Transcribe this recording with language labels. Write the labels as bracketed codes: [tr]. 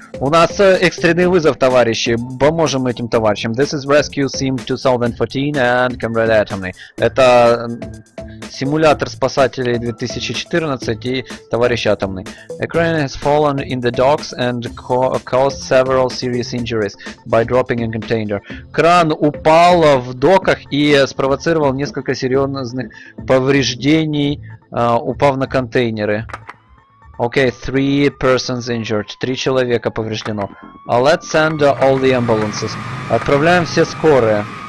[ru] У нас экстренный вызов, товарищи. Поможем этим товарищам. [en] This is Rescue Sim 2014 and Comrade Atomy. [ru] Это симулятор спасателей 2014 и товарищ Атомный. [en] A crane has fallen in the docks and caused several serious injuries by dropping a container. [ru] Кран упал в доках и спровоцировал несколько серьезных повреждений, упав на контейнеры. [en] Okay, three persons injured. [ru] Три человека повреждено. [en] Let's send all the ambulances. [ru] Отправляем все скорые.